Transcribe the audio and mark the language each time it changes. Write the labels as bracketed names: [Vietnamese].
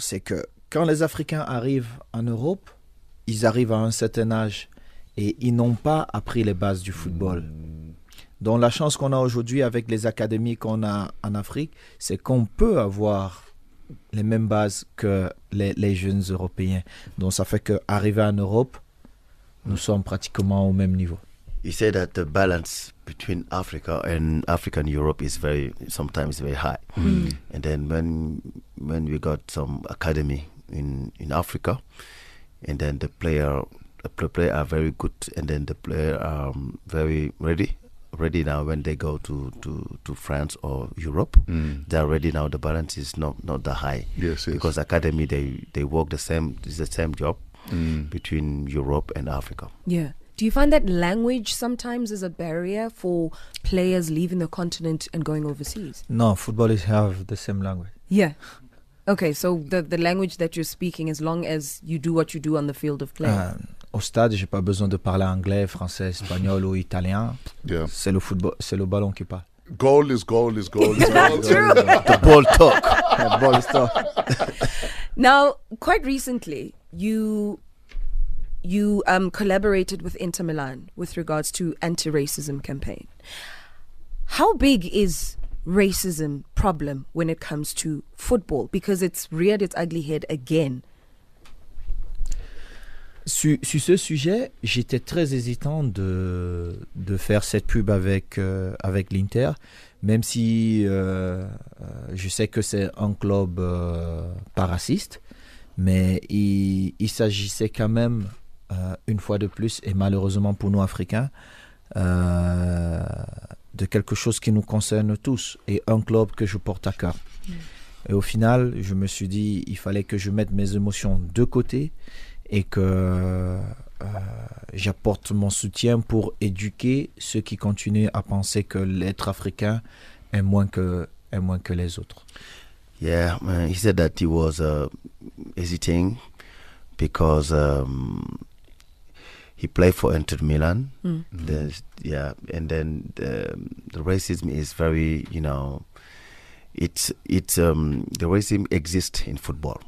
[French] C'est que quand les Africains arrivent en Europe, ils arrivent à un certain âge et ils n'ont pas appris les bases du football. Donc la chance qu'on a aujourd'hui avec les académies qu'on a en Afrique, c'est qu'on peut avoir les mêmes bases que les jeunes Européens. Donc ça fait qu'arriver en Europe, nous sommes pratiquement au même niveau. [English] You say that the balance between Africa and African Europe is very, sometimes very high. Mm. And then when we got some academy in Africa, and then the player are very good, and then the player are very ready. Ready now when they go to France or Europe, they are ready now. The balance is not that high. Yes, because yes. Academy they work the same. It's the same job between Europe and Africa. Yeah. Do you find that language sometimes is a barrier for players leaving the continent and going overseas? No, footballers have the same language. Yeah. Okay. So the language that you're speaking, as long as you do what you do on the field of play. [French] Au stade, j'ai pas besoin de parler anglais, français, espagnol ou italien. [English] Yeah. [French] C'est le football, c'est le ballon qui parle. [English] Goal is goal is goal. Is goal. That's true. The ball talk. The ball is talk. Now, quite recently, you collaborated with Inter Milan with regards to anti-racism campaign. How big is racism problem when it comes to football? Because it's reared its ugly head again. [French] Sur ce sujet, j'étais très hésitant de faire cette pub avec l'Inter, même si je sais que c'est un club pas raciste, mais il s'agissait quand même, une fois de plus, et malheureusement pour nous Africains, de quelque chose qui nous concerne tous, et un club que je porte à cœur. Et au final, je me suis dit il fallait que je mette mes émotions de côté, et que j'apporte mon soutien pour éduquer ceux qui continuent à penser que l'être africain est moins que les autres. [English] Yeah, he said that he was hesitating because he played for Inter Milan. Mm. The racism is very, you know, it's the racism exists in football.